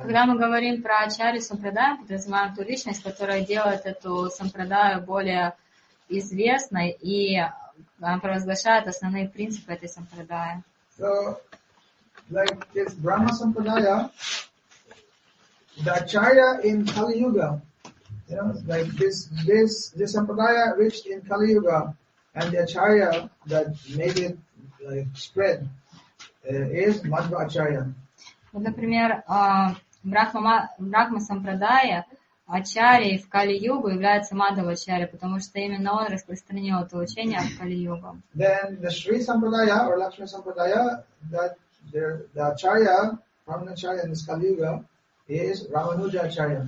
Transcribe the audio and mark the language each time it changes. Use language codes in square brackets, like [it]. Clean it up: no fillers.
[ru] Когда мы говорим про ачарью сампрадаю, мы подразумеваем ту личность, которая делает эту сампрадаю более известной и провозглашает основные принципы этой сампрадаи. [en] So, like this Brahma Sampradaya, the acharya in Kali Yuga, you know, like this sampradaya reached in Kali Yuga, and the acharya that made it like spread is Madhva Acharya. [ru] Например, Брахма Сампрадая Ачарьи в Кали-Югу является Мадхава Ачарьи, потому что именно он распространил это учение в Кали-Югу. [en] Then the Shri Sampradaya or Lakshmi Sampradaya, the Acharya, Brahma Acharya in Kali-Yuga is Ramanuja Acharya.